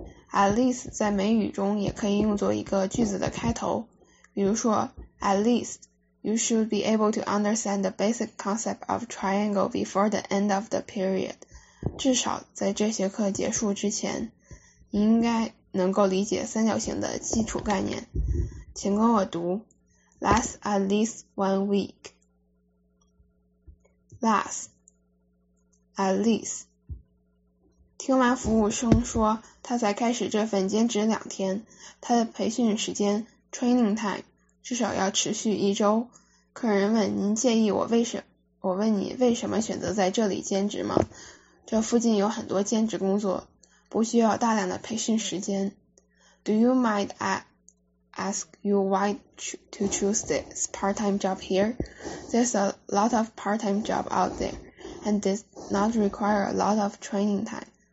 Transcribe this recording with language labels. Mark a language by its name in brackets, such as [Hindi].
[English] At least [Chinese] 在美语中也可以用作一个句子的开头，比如说 [English] At least you should be able to understand the basic concept of triangle before the end of the period. [Chinese] 至少在这节课结束之前，你应该能够理解三角形的基础概念。请跟我读 [English] Last at least 1 week. Last at least. [Chinese] 听完服务生说他才开始这份兼职两天，他的培训时间 [English] training time [Chinese] 至少要持续一周，客人问您介意我问你为什么选择在这里兼职吗？这附近有很多兼职工作，不需要大量的培训时间。 [English] Do you mind I ask you why to choose this part-time job here? There's a lot of part-time job out there, and does not require a lot of training time.